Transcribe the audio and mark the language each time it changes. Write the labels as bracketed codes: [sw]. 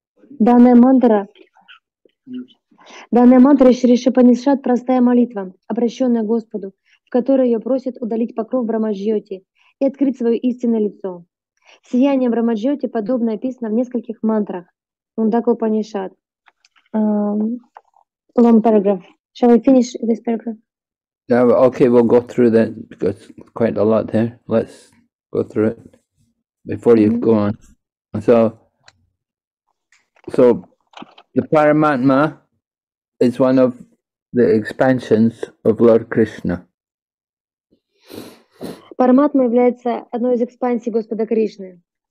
[ru] Данная мантра Шришупанишад — простая молитва, обращенная к Господу, в которой ее просят удалить покров Брахма-джьоти и открыть свое истинное лицо. Сияние Брахма-джьоти подобно описано в нескольких мантрах Мундака-упанишад. [en] Long paragraph. Shall we finish this paragraph? Yeah, okay, we'll go through that because it's quite a lot there. Let's go through it before you go on. So the Paramatma is one of the expansions of Lord Krishna. [ru] Параматма является одной из экспансий Господа Кришны.